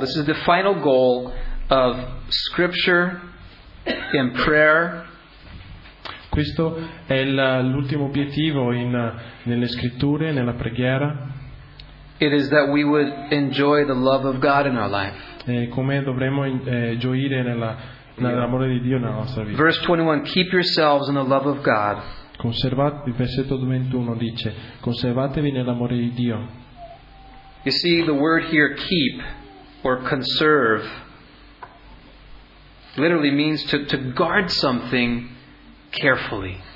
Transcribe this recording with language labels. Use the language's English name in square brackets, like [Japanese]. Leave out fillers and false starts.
[English] This is the final goal of scripture and prayer. [Italian] Questo è l'ultimo obiettivo nelle scritture, nella preghiera. [English] It is that we would enjoy the love of God in our life. [Italian] E come dovremmo gioire nell'amore di Dio nella nostra vita. [English] Verse 21, keep yourselves in the love of God. [Italian] Il versetto 21 dice, conservatevi nell'amore di Dio. [English] You see, the word here, keep, or conserve, literally means to guard something carefully.